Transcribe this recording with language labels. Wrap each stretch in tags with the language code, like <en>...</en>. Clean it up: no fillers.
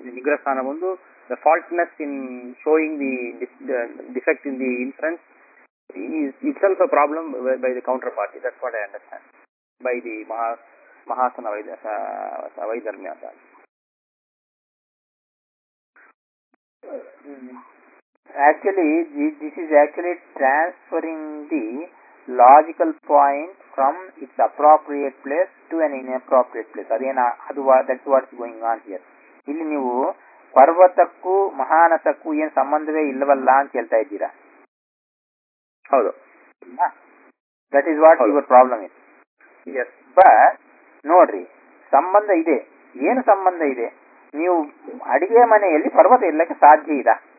<kn>ನಿಗ್ರಹ ಸ್ಥಾನ ಒಂದು</kn> <en>The faultiness in showing the defect in the inference itself a problem by the counter party. That what I understand by the ಮಹಾಸನ ವೈಧರ್ಮ್ಯ. Actually, this is actually transferring the logical point from its appropriate place to an inappropriate place. That's what's going on here.</en> <kn>ಇಲ್ಲಿ ನೀವು ಪರ್ವತಕ್ಕೂ ಮಹಾನಸಕ್ಕೂ ಏನ್ ಸಂಬಂಧವೇ ಇಲ್ಲವಲ್ಲ ಅಂತ ಹೇಳ್ತಾ ಇದ್ದೀರಾ. ಹೌದು,</kn> <en>That is what your problem is. Yes, but</en> <kn>ನೋಡ್ರಿ, ಸಂಬಂಧ ಇದೆ. ಏನು ಸಂಬಂಧ ಇದೆ? ನೀವು ಅಡಿಗೆ ಮನೆಯಲ್ಲಿ ಪರ್ವತ ಇರ್ಲಿಕ್ಕೆ ಸಾಧ್ಯ ಇದ?</kn>